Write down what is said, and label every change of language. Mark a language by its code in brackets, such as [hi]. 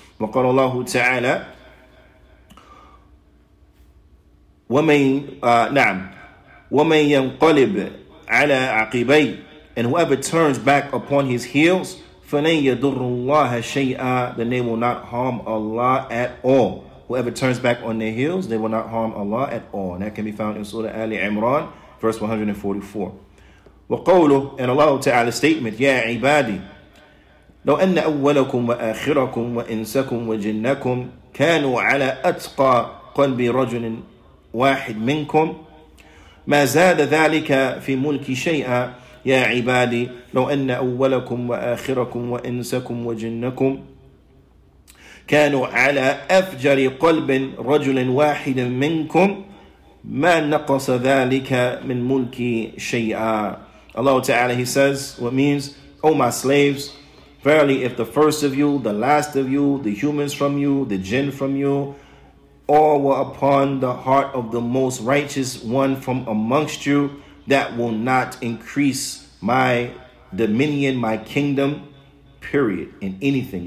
[ar] وقال الله تعالى ومن ينقلب على عقبيه, [en] and whoever turns back upon his heels, [ar] فَلَنْ يَدُرُّ اللَّهَ شَيْئًا, [en] then they will not harm Allah at all. Whoever turns back on their heels, they will not harm Allah at all. And that can be found in Surah Ali Imran, verse 144. [ar] وَقَوْلُهُ, [en] and Allah Ta'ala's statement, [ar] يَا عِبَادِي لَوْ أَنَّ أَوَّلَكُمْ وَآخِرَكُمْ وَإِنْسَكُمْ وَجِنَّكُمْ كَانُوا عَلَىٰ أَتْقَى قَلْبِ رَجُلٍ وَاحِدٍ مِنْكُمْ مَا زَادَ ذَلِكَ فِي مُلْكِ شَيْئًا يا عبادي لو أن أولكم وآخركم وإنسكم وجنكم كانوا على أفجر قلب رجل واحد منكم ما نقص ذلك من ملك شيئا. [en] Allah Ta'ala, he says, what means, O my slaves, verily if the first of you, the last of you, the humans from you, the jinn from you, all were upon the heart of the most righteous one from amongst you, that will not increase my dominion, my kingdom, period, in anything.